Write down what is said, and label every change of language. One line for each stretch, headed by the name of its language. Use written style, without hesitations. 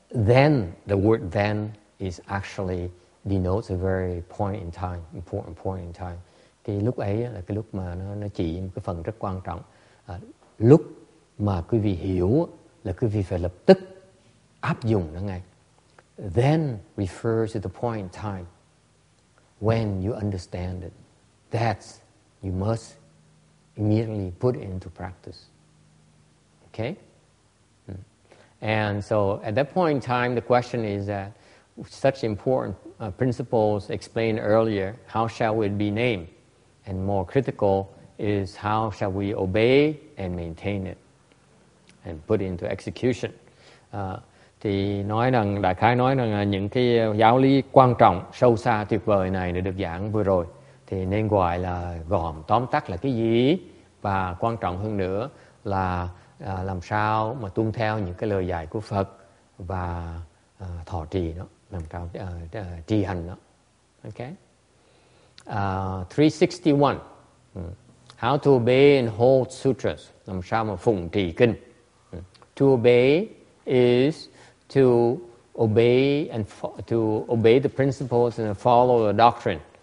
English: Then, the word then is actually denotes a very point in time, important point in time.
Vietnamese: Cái lúc ấy là cái lúc mà nó chỉ một cái phần rất quan trọng. Lúc mà quý vị hiểu là quý vị phải lập tức áp dụng nó ngay.
English: then refer to the point in time when you understand it. That you must immediately put into practice. Okay? And so at that point in time, the question is that such important principles explained earlier, how shall we be named? And more critical is how shall we obey and maintain it and put into execution.
Vietnamese: Thì nói rằng, đại khái nói rằng những cái giáo lý quan trọng, sâu xa, tuyệt vời này đã được giảng vừa rồi. Thì nên gọi là gọn tóm tắt là cái gì? Và quan trọng hơn nữa là làm sao mà tuân theo những cái lời dạy của Phật và thọ trì nó, làm sao trì hành nó. Okay.
English: 361. How to obey and hold sutras.
Vietnamese: Làm sao mà phụng trì kinh.
English: To obey is to obey and to obey the principles and follow the doctrine.